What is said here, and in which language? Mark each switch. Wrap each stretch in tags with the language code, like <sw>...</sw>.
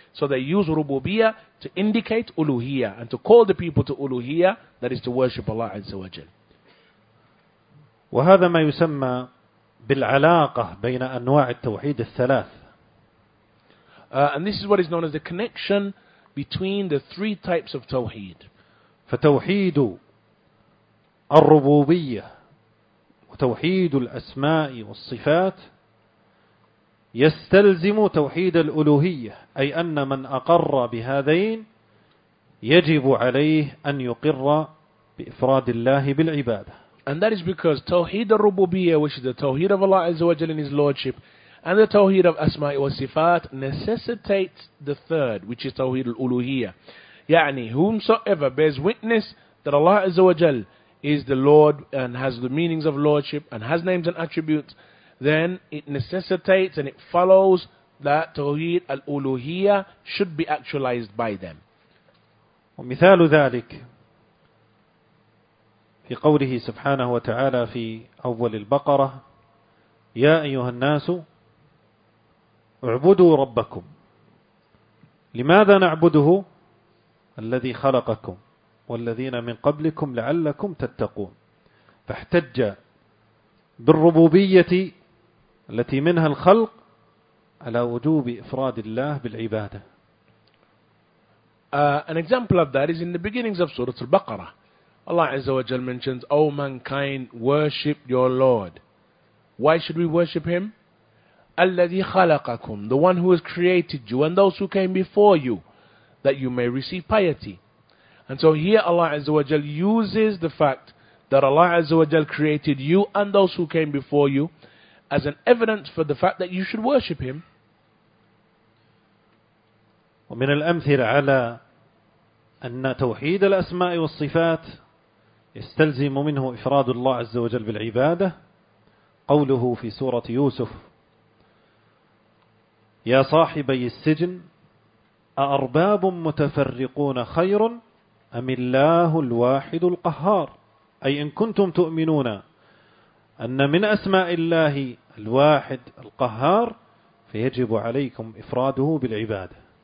<en>So they use Rububiyyah to indicate Uluhiyya and to call the people to Uluhiyya, that is to worship Allah Azza wa Jal.</en> <ar>وهذا ما يسمى بالعلاقة بين أنواع التوحيد الثلاث.</ar> <en>And this is what is known as the connection between the three types of tawheed.</en> <ar>فتوحيد الربوبية وتوحيد الأسماء والصفات يستلزم توحيد الألوهية، أي أن من أقر بهذين يجب عليه أن يقر بإفراد الله بالعبادة.</ar> <en>And that is because Tawheed al-Rububiyyah, which is the Tawheed of Allah Azza wa Jal in His Lordship, and the Tawheed of Asma'i wa Sifat, necessitates the third, which is Tawheed al-Uluhiyyah. Ya'ni, whomsoever bears witness that Allah Azza wa Jal is the Lord and has the meanings of Lordship and has names and attributes, then it necessitates and it follows that Tawheed al-Uluhiyyah should be actualized by them.</en> <ar>ومثال ذلك في قوله سبحانه وتعالى في أول البقرة يا أيها الناس اعبدوا ربكم لماذا نعبده الذي خلقكم والذين من قبلكم لعلكم تتقون فاحتج بالربوبية التي منها الخلق على وجوب إفراد الله بالعبادة.</ar> <en>An example of that is in the beginnings of Surah Al-Baqarah. Allah Azza wa Jal mentions, O mankind, worship your Lord. Why should we worship Him?</en> <ar>الَّذِي خَلَقَكُمْ</ar> <en>The one who has created you and those who came before you, that you may receive piety. And so here Allah Azza wa Jal uses the fact that Allah Azza wa Jal created you and those who came before you as an evidence for the fact that you should worship Him.</en> <ar>ومن الأمثلة على أن توحيد الأسماء والصفات يستلزم منه إفراد الله عز وجل بالعبادة قوله في سورة يوسف يا صاحبي السجن أأرباب متفرقون خير أم الله الواحد القهار أي إن كنتم تؤمنون أن من أسماء الله الواحد القهار فيجب عليكم إفراده بالعبادة.</ar>